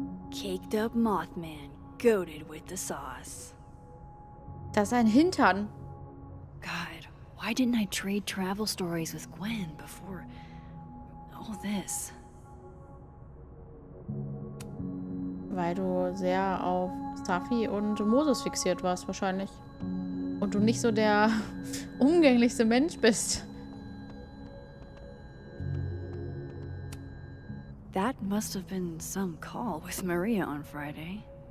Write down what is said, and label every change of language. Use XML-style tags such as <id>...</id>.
<en>Caked-up Mothman, goated with the sauce.</en> <de>Das ist ein Hintern.</de> <en>God, why didn't I trade travel stories with Gwen before all this?</en> <de>Weil du sehr auf Safi und Moses fixiert warst, wahrscheinlich. Und du nicht so der umgänglichste Mensch bist.</de> <en>That must have been some call with Maria on Friday.</en>